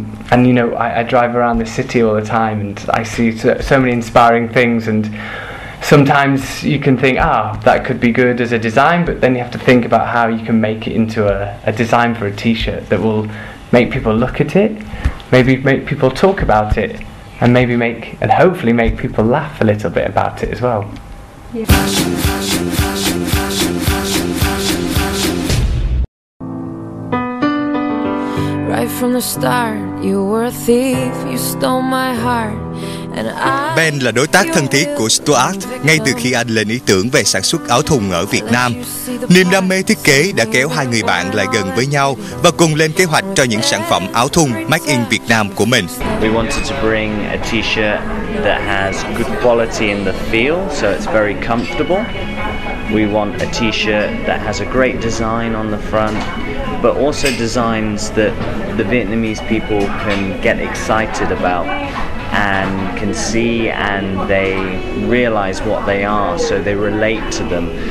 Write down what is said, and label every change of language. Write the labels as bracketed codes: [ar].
[en] And you know, I drive around the city all the time and I see so many inspiring things, and sometimes you can think, that could be good as a design, but then you have to think about how you can make it into a design for a t-shirt that will make people look at it, maybe make people talk about it, and maybe make, and hopefully make people laugh a little bit about it as well. Yeah. Right from the start, you were a thief, you stole my heart, [vi] Ben là đối tác thân thiết của Stuart ngay từ khi anh lên ý tưởng về sản xuất áo thùng ở Việt Nam. Niềm đam mê thiết kế đã kéo hai người bạn lại gần với nhau và cùng lên kế hoạch cho những sản phẩm áo thùng Made in Việt Nam của mình. [en] We wanted to bring a t-shirt that has good quality in the feel, so it's very comfortable. We want a t-shirt that has a great design on the front, but also designs that the Vietnamese people can get excited about and can see and they realize what they are, so they relate to them.